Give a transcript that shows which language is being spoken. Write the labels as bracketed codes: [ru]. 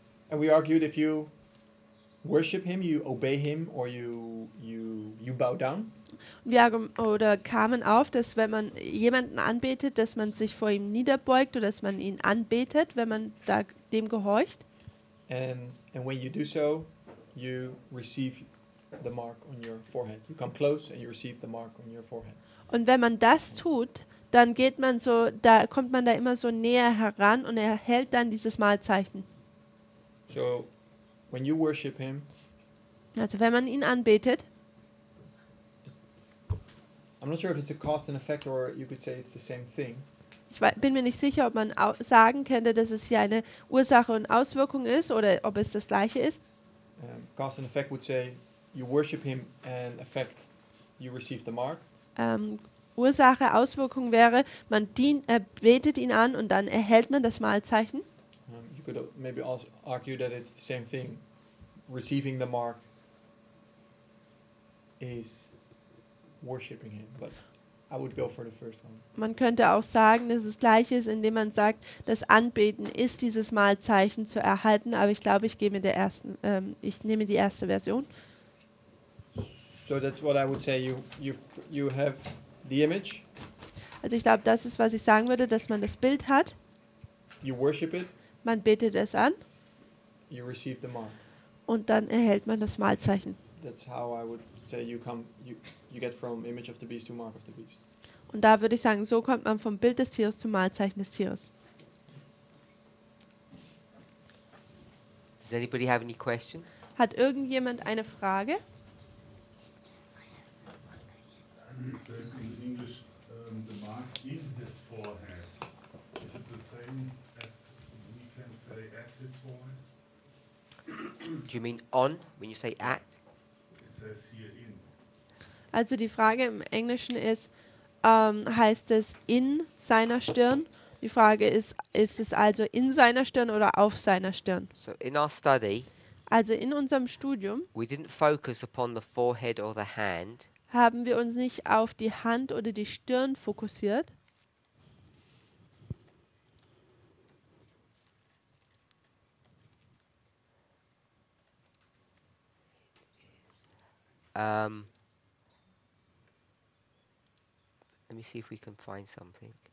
[en] And we argued if you worship him, you obey him, or you bow down. [de] Oder kamen auf, dass wenn man jemanden anbetet, dass man sich vor ihm niederbeugt oder dass man ihn anbetet, wenn man da dem gehorcht. [en] And when you do so, you receive the mark on your forehead. You come close and you receive the mark on your forehead. [de] Und wenn man das tut, dann geht man so, da kommt man da immer so näher heran und erhält dann dieses Malzeichen. [en] So, when you worship him, [de] also wenn man ihn anbetet, [en] I'm not sure if it's a cause and effect or you could say it's the same thing. [de] Ich bin mir nicht sicher, ob man sagen könnte, dass es hier eine Ursache und Auswirkung ist oder ob es das gleiche ist. [en] Cause and effect would say you worship him and effect you receive the mark. [de] Ursache, Auswirkung wäre, man betet ihn an und dann erhält man das Malzeichen. [en] You could maybe also argue that it's the same thing. Receiving the mark is worshipping him, but I would go for the first one. [de] Man könnte auch sagen, dass es gleich ist, indem man sagt, das Anbeten ist dieses Malzeichen zu erhalten, aber ich glaube, ich nehme die erste Version. [en] So that's what I would say, you have the image. [de] Also ich glaube, das ist, was ich sagen würde, dass man das Bild hat. [en] You worship it. [de] Man betet es an. [en] You receive the mark. [de] Und dann erhält man das Malzeichen. [en] That's how I would say you come, you get from image of the beast to mark of the beast. [de] Und da würde ich sagen, so kommt man vom Bild des Tieres zum Malzeichen des Tieres. [en] Does anybody have any questions? [de] Hat irgendjemand eine Frage? [en] So it's in English, the mark in his forehead. Is it the same as we can say at his forehead? Do you mean on, when you say at? It says here in. [de] Also die Frage im Englischen ist, heißt es in seiner Stirn? Die Frage ist, ist es also in seiner Stirn oder auf seiner Stirn? [en] So in our study, [de] also in unserem Studium, [en] we didn't focus upon the forehead or the hand, [de] haben wir uns nicht auf die Hand oder die Stirn fokussiert. [en] Let me see if we can find something.